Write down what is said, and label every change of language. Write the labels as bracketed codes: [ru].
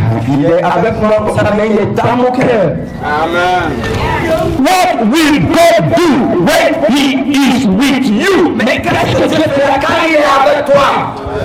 [fr] Il est avec moi pour sa main, il est dans mon cœur. Amen. [en] What will God do when he is with you? [fr] Mais qu'est-ce que Dieu fera quand il est avec toi?